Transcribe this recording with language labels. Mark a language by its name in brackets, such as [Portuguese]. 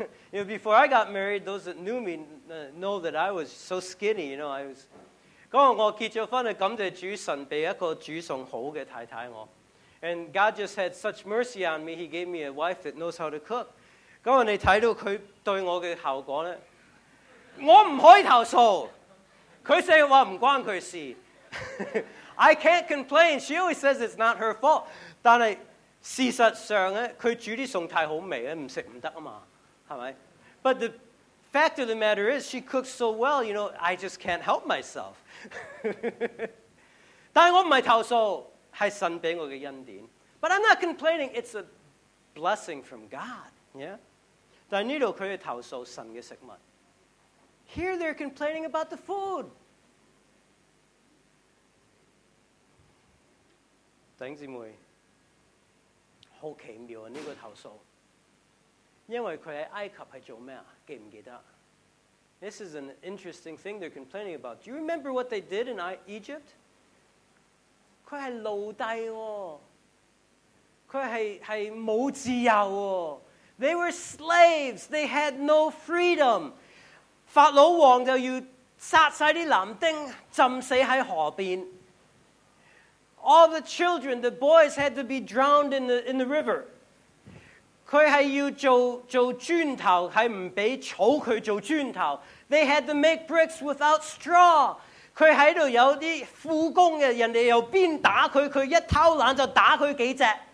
[English] You know, before I got married, those that knew me know that I was so skinny. You know, I was. [Cantonese] 咁我結咗婚啊，感謝主神俾一個煮餸好嘅太太我。 [English] And God just had such mercy on me. He gave me a wife that knows how to cook. [Cantonese] 咁你睇到佢對我嘅效果咧，我唔可以投訴。佢成日話唔關佢事。 [English] I can't complain. She always says it's not her fault. [Cantonese] 但係事實上咧，佢煮啲餸太好味咧，唔食唔得啊嘛，係咪 [English] ？But the fact of the matter is, she cooks so well. You know, I just can't help myself. [Cantonese] 但係我唔係投訴，係神俾我嘅恩典。 [English] But I'm not complaining. It's a blessing from God. [Cantonese] Yeah. 但呢度佢係投訴神嘅食物。 [English] Here they're complaining about the food. [Cantonese] 弟兄姊妹，好奇妙啊！呢个投诉，因为佢喺埃及系做咩啊？记唔记得 [English] ？This is an interesting thing they're complaining about. Do you remember what they did in Egypt? [Cantonese] 佢系奴隶喎，佢系冇自由喎。 [English] They were slaves. They had no freedom. [Cantonese] 法老王就要杀晒啲男丁，浸死喺河边。 [English] All the children, the boys, had to be drowned in the river. [Cantonese] 佢系要做砖头，系唔俾草佢做砖头。 [English] They had to make bricks without straw. [Cantonese] 佢喺度有啲苦工嘅，人哋又边打佢，佢一偷懒就打佢几只。